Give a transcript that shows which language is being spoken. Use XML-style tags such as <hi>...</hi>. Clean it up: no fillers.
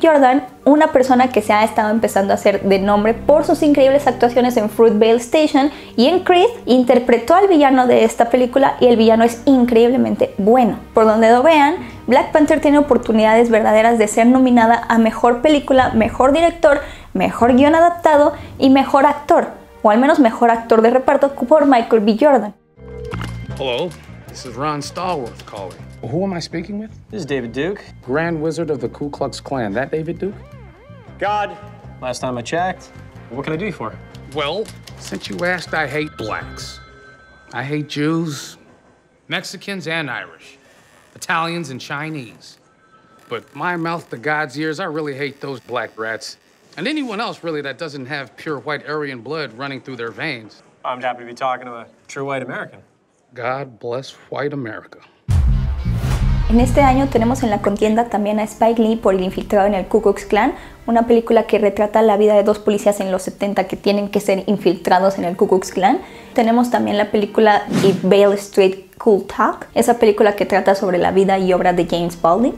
<es>Jordan, una persona que se ha estado empezando a hacer de nombre por sus increíbles actuaciones en Fruitvale Station y en Creed, interpretó al villano de esta película y el villano es increíblemente bueno. Por donde lo vean, Black Panther tiene oportunidades verdaderas de ser nominada a mejor película, mejor director, mejor guion adaptado y mejor actor, o al menos mejor actor de reparto por Michael B. Jordan.</es> <en>Hello, this is Ron Stallworth calling. Who am I speaking with? This is David Duke. Grand Wizard of the Ku Klux Klan. That David Duke? God. Last time I checked, what can I do for? Well, since you asked, I hate blacks. I hate Jews, Mexicans and Irish. Italians and Chinese. But my mouth to God's ears, I really hate those black rats. And anyone else, really, that doesn't have pure white Aryan blood running through their veins. I'm happy to be talking to a true white American. God bless white America.</en> <es>En este año tenemos en la contienda también a Spike Lee por El Infiltrado en el Ku Klux Klan, una película que retrata la vida de dos policías en los 70 que tienen que ser infiltrados en el Ku Klux Klan. Tenemos también la película If Beale Street Could Talk, esa película que trata sobre la vida y obra de James Baldwin.</es>